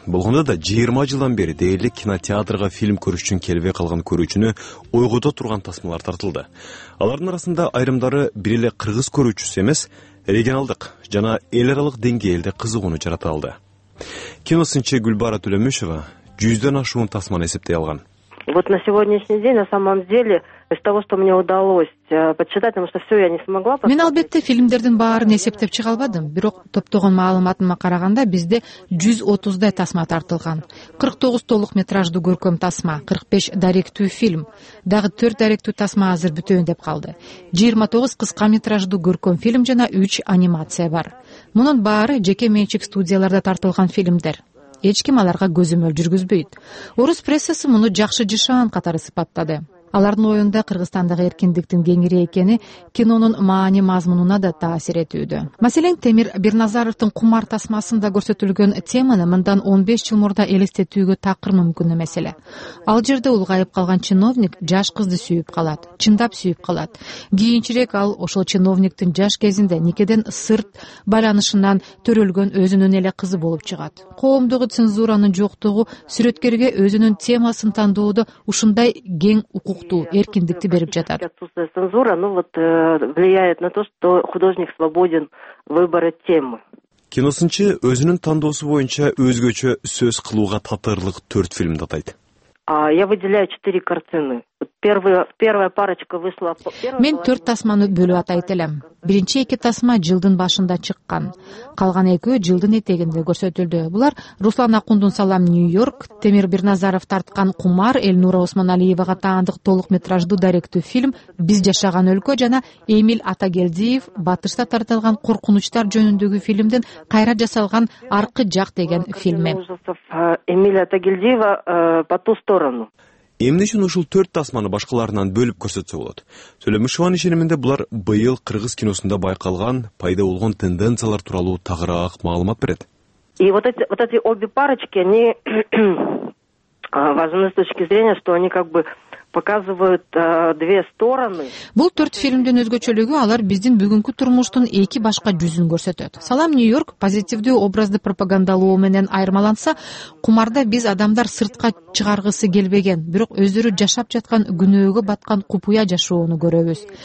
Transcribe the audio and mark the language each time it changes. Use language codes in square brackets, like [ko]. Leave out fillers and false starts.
[ky] Болгондо да 20 жылдан бери дээрлик кинотеатрга фильм көрүш үчүн келбей калган көрүүчүнү ойгото турган тасмалар тартылды. Алардын арасында айрымдары бир эле кыргыз көрүүчүсү эмес, регионалдык жана эл аралык деңгээлде кызыгууну жарата алды. Киносынчы Гүлбара Төлөмүшова 100 ашуун тасманы эсептей алган. [ru] Вот на сегодняшний день на самом деле из того, что мне удалось подсчитать, потому что все я не смогла. [ky] Мен албетте фильмдердин баарын эсептеп чыга албадым, бирок топтогон маалыматыма караганда бизде 130 тасма тартылган. 49 толук метраждуу көркөм тасма, 45 даректүү фильм, дагы 4 даректүү тасма азыр бүтөйүн деп калды. 29 кыска метраждуу көркөм фильм жана 3 анимация бар. Мунун баары жеке менчик студияларда тартылган фильмдер. Эч ким аларга көзөмөл жүргүзбөйт. Орус прессасы муну жакшы жышаан катары сыпаттады. Алардын оюнда Кыргызстандагы эркиндиктин кеңири экени кинонун маани мазмунуна да таасир этүүдө. Маселен, Темир Бирназаровдун Кумар тасмасында көрсөтүлгөн теманы мындан 15 жыл мурда элестетүүгө такыр мүмкүн эмес эле. Ал жерде улгайып калган чиновник жаш кызды сүйүп калат, чындап сүйүп калат. Кийинчерээк ал ошол чиновниктин жаш кезинде никеден сырт байланышынан төрөлгөн өзүнүн эле кызы болуп чыгат. Коомдогу цензуранын жоктугу сүрөткерге өзүнүн темасын тандоодо ушундай кең укуктуу эркиндикти берип жатат. [ru] Отсутствие цензуры, ну вот, влияет на то, что художник свободен выбора темы. [ky] Киносунчу өзүнүн тандоосу боюнча өзгөчө сөз кылууга татырлык 4 фильмди атайт. [ru] Я выделяю 4 картины. Первая парочка вышла. [ky] Мен 4 тасманы бөлүп атайт элем. Биринчи 2 тасма жылдын башында чыккан. Калган 2 жылдын этегинде көрсөтүлдү. Булар Руслан Акундун Салам Нью-Йорк, Темир Бирназаров тарткан Кумар, Элнура Усманалиевага таандык толук метраждуу даректүү фильм Биз жашаган өлкө жана Эмиль Атагелдиев Батышта тартылган коркунучтар жөнүндөгү фильмдин кайра жасалган Аркы жак деген фильми. Эмиль Атагелдиева По ту сторону. Эмне үчүн ушул 4 тасманы башкаларынан бөлүп көрсөтсө болот? Төлөмүшованын ишенимде булар быйыл кыргыз киносунда байкалган пайда болгон тенденциялар тууралуу тагыраак маалымат берет. [ru] И вот эти обе парочки, они важны с точки зрения, что они как бы показывают две стороны. [ky] Бул 4 фильмдин өзгөчөлүгү алар биздин бүгүнкү турмуштун эки башка жүзүн көрсөтөт. Салам Нью-Йорк позитивдүү образды пропагандалоо менен айырмаланса, Кумарда биз адамдар сыртка чыгаргысы келбеген, бирок өздөрү жашап жаткан күнөөгө баткан купуя жашоону көрөбүз.